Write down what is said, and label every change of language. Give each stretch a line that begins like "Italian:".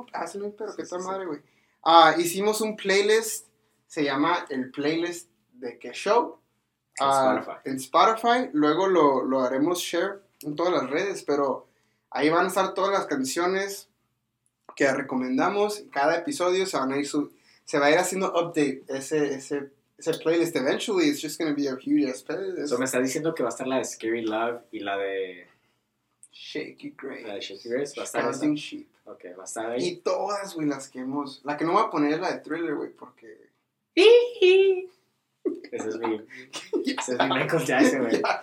Spanish: Sí, qué tal, sí, madre, güey. Sí. Hicimos un playlist, se llama el playlist de qué show. En Spotify. Luego lo haremos share en todas las redes, pero ahí van a estar todas las canciones que recomendamos. Cada episodio se va a ir haciendo update ese playlist.
English: Eventually, it's just going to be a huge ass playlist.
Spanish: So me está diciendo que va a estar la de Scary Love y la de... Shaky Grace. La de Shaky Grace, bastante. Casting Sheep. Ok, va a estar ahí. Y todas, güey, las que hemos... La que no voy a poner es la de Thriller, güey, porque... Ese es mi... Ese es mi Michael Jackson, güey.